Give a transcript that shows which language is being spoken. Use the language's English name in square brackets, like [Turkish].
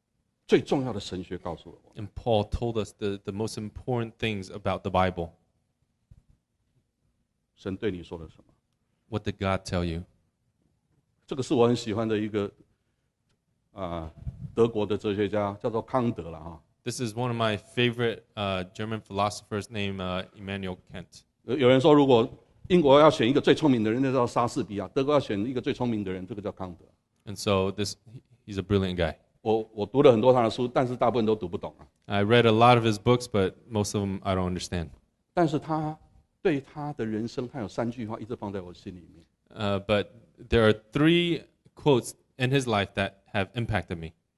[Chinese] 也把整本圣经的最重要的神学告诉了我们。 [English] And Paul told us the most important things about the Bible. [Chinese] 神对你说了什么? [English] What did God tell you? [Chinese] 这个是我很喜欢的一个德国的哲学家叫做康德了。 [English] This is one of my favorite German philosophers named Immanuel Kant. [Chinese] 有人说如果英国要选一个最聪明的人那叫莎士比亚德国要选一个最聪明的人这个叫康德。 [English] And so he's a brilliant guy. [Chinese] 我读了很多他的书 但是大部分都读不懂。 [English] I read a lot of his books but most of them I don't understand. [Chinese] 但是他对他的人生 他有三句话一直放在我心里面。 [English] But there are three quotes in his life that have impacted me.